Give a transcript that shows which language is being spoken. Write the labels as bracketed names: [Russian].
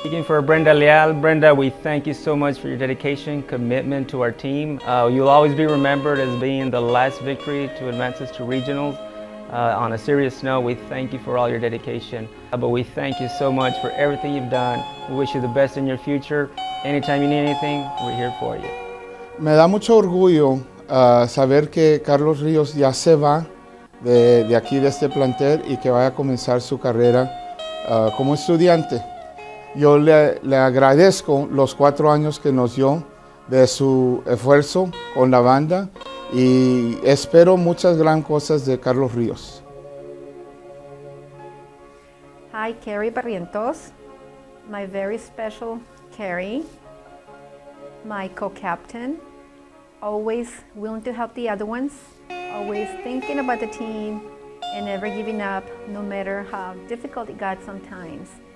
[English] Speaking for Brenda Leal, Brenda, we thank you so much for your dedication, commitment to our team. You'll always be remembered as being the last victory to advance us to regionals. On a serious note, we thank you for all your dedication. But we thank you so much for everything you've done. We wish you the best in your future. Anytime you need anything, we're here for you. [Spanish] Me da mucho orgullo saber que Carlos Ríos ya se va de aquí, de este plantel, y que vaya a comenzar su carrera como estudiante. Yo le agradezco los 4 años que nos dio de su esfuerzo con la banda y espero muchas gran cosas de Carlos Ríos. [English] Hi, Carrie Barrientos, my very special Carrie, my co-captain, always willing to help the other ones, always thinking about the team, and never giving up, no matter how difficult it got sometimes.